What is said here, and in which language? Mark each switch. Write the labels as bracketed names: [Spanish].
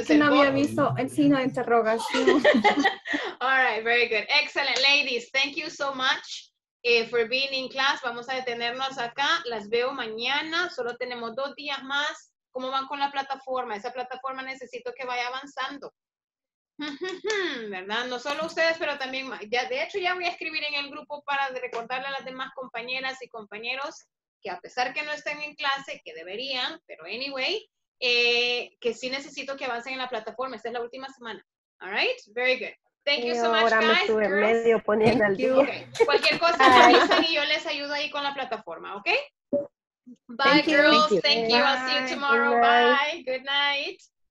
[Spanish] es que no había visto el signo de interrogación. [English] All right. Very good. Excellent. Ladies, thank you so much for being in class. [Spanish] Vamos a detenernos acá. Las veo mañana. Solo tenemos dos días más. ¿Cómo van con la plataforma? Esa plataforma necesito que vaya avanzando. ¿Verdad? No solo ustedes, pero también más. Ya, de hecho, ya voy a escribir en el grupo para recordarle a las demás compañeras y compañeros que a pesar que no estén en clase, que deberían, pero anyway, que sí necesito que avancen en la plataforma. Esta es la última semana. [English] All right? Very good. Thank you so much, [Spanish] ahora [English] guys. [Spanish] Me estuve en medio poniendo al día. [English] Okay. [Spanish] Cualquier cosa me avisan y yo les ayudo ahí con la plataforma, ¿ok? [English] Bye, thank girls. You. Thank you. I'll see you tomorrow. Good. Bye. Good night.